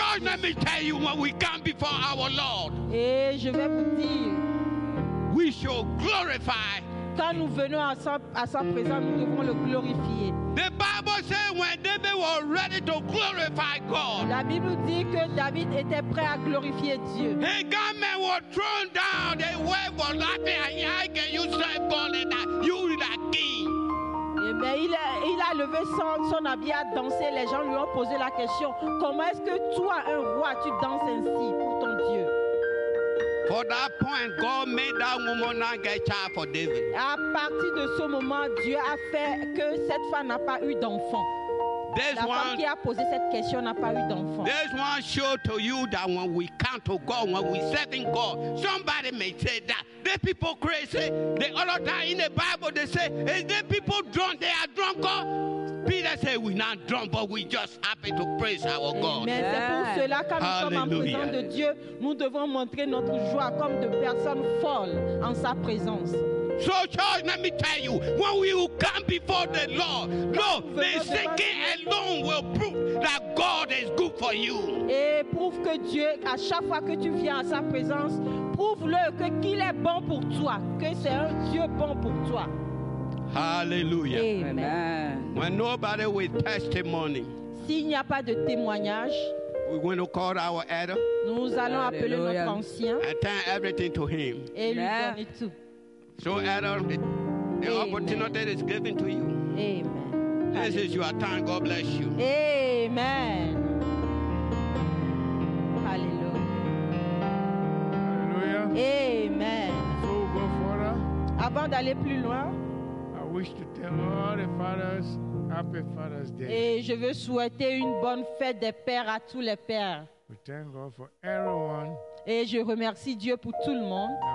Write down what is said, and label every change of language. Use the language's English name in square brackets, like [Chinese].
[English] George, let me tell you when we come before our Lord. [French] Et je vais vous dire. [English] We shall glorify. [French] Quand nous venons à sa présence, nous devons le glorifier. [English] The Bible says when David was ready to glorify God. [French] La Bible dit que David était prêt à glorifier Dieu. [English] The gunmen were thrown down. They were laughing. And I can you say, God, that you are the king. [French] Mais il a levé son habit à danser. Les gens lui ont posé la question. Comment est-ce que toi, un roi, tu danses ainsi pour ton Dieu? [English] For that point, God made that woman not get child for David. [French] À partir de ce moment, Dieu a fait que cette femme n'a pas eu d'enfant. [English] This [French] la femme [English] one, [French] qui a posé cette question n'a pas eu d'enfant. [English] This one show to you that when we come to God, when we serve in God, somebody may say that. These people crazy. They all the time in the Bible they say, is these people drunk? They are drunk. Peter said, we're not drunk, but we just happy to praise our Amen. God. [French] Mais c'est pour cela quand nous sommes en présence de Dieu, nous devons montrer notre joie comme de personnes folles en sa présence. [English] So church, let me tell you, when we will come before the Lord, Lord, the singing alone will prove that God is good for you. [French] Et prouve que Dieu, à chaque fois que tu viens à sa présence, prouve-le qu'il est bon pour toi, que c'est un Dieu bon pour toi. [English] Hallelujah. Amen. When nobody with testimony, [French] s'il n'y a pas de témoignage, [English] we're going to call our elder. [French] Nous allons appeler notre ancien. [English] And turn everything to him. [French] Et lui donner tout. [English] So, Adam, the Amen. Opportunity is given to you. Amen. This is your time. God bless you. Amen. Hallelujah. Hallelujah. Amen. Before we go further, [French] avant d'aller plus loin, [English] I wish to tell all the fathers happy Father's Day. [French] Et je veux souhaiter une bonne fête des pères à tous les pères. [English] We thank God for everyone. [French] Et je remercie Dieu pour tout le monde.